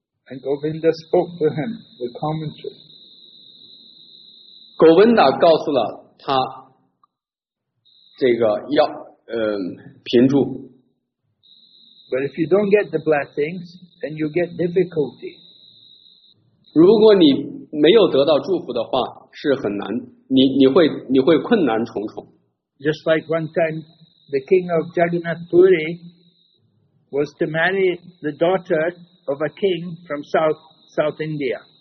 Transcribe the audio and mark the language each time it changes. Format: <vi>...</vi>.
<en>And Govinda spoke to him the commentary.</en> <zh>Govinda 告诉了他这个要评注。</zh> <en>But if you don't get the blessings, then you get difficulty.</en> <zh>如果你没有得到祝福的话，是很难，你会困难重重。</zh> <en>Just like one time, the king of Jagannath Puri was to marry the daughter of a king from South India.</en>